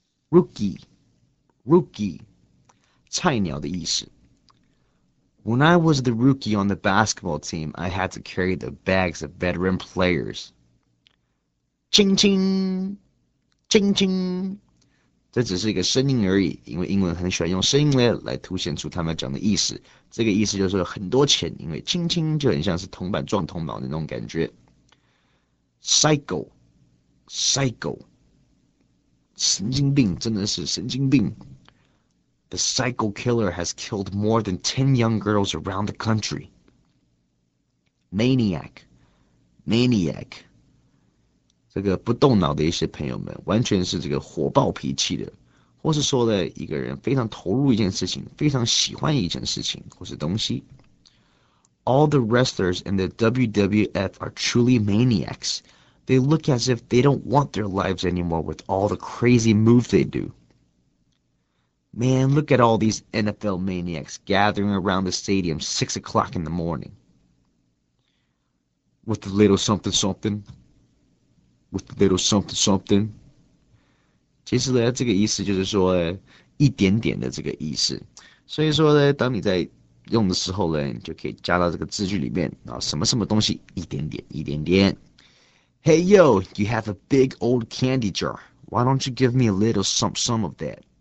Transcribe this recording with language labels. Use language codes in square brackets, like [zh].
[zh] Rookie, rookie, 菜鸟的意思。 [en] When I was the rookie on the basketball team, I had to carry the bags of veteran players. Ching ching, ching ching. [zh] 这只是一个声音而已，因为英文很喜欢用声音来凸显出他们讲的意思。这个意思就是很多钱，因为轻轻就很像是铜板撞铜板的那种感觉。 Psycho, psycho, 神经病，真的是神经病。 [en] The psycho killer has killed more than 10 young girls around the country. Maniac, maniac. [zh] 这个不动脑的一些朋友们，完全是这个火爆脾气的，或是说的一个人非常投入一件事情，非常喜欢一件事情或是东西。 [en] All the wrestlers in the WWF are truly maniacs. They look as if they don't want their lives anymore with all the crazy moves they do. Man, look at all these NFL maniacs gathering around the stadium 6 o'clock in the morning. With a little something something. With a little something something， [zh] 其实呢，这个意思就是说一点点的这个意思。所以说呢，当你在用的时候呢，你就可以加到这个字句里面啊，什么什么东西一点点一点点。 [en] Hey yo, you have a big old candy jar. Why don't you give me a little some of that?